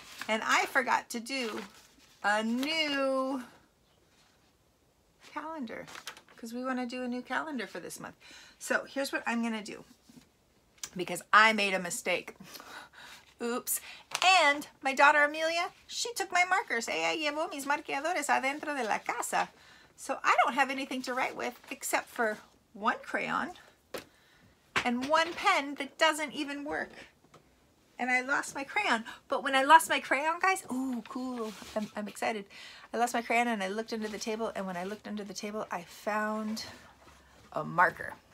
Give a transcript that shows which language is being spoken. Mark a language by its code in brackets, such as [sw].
[en] And I forgot to do a new calendar because we want to do a new calendar for this month. So here's what I'm going to do because I made a mistake. Oops. And my daughter Amelia, she took my markers. [es] Ella llevó mis marcadores adentro de la casa. [en] So I don't have anything to write with except for one crayon and one pen that doesn't even work. And I lost my crayon. But when I lost my crayon, guys, ooh, cool. I'm excited. I lost my crayon and I looked under the table. And when I looked under the table, I found a marker.